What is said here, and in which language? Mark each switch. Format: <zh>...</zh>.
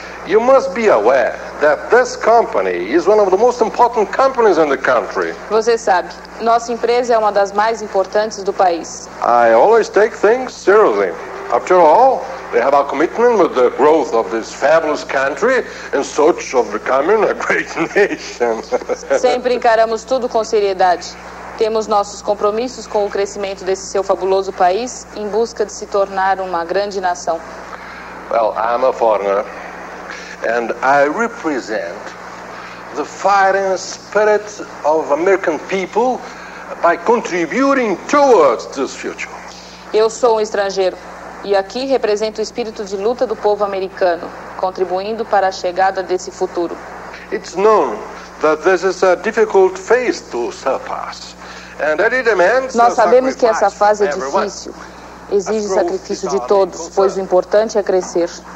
<en>you must be aware that this company is one of the most important companies in the country.</en> <pt>Você sabe, nossa empresa é uma das mais importantes do país.</pt> <en>I always take things seriously. After all, we have our commitment with the growth of this fabulous country in search of becoming a great nation.</en> <pt>Sempre encaramos tudo com seriedade. Temos nossos compromissos com o crescimento desse seu fabuloso país em busca de se tornar uma grande nação.</pt> <en>Well, I'm a foreigner and I represent the fighting spirit of American people by contributing towards this future.</en> <pt>Eu sou um estrangeiro e aqui represento o espírito de luta do povo americano, contribuindo para a chegada desse futuro.</pt> <en>It's known that this is a difficult phase to surpass.</en> <pt>Nós sabemos que essa fase é difícil, exige sacrifício de todos, pois o importante é crescer.</pt>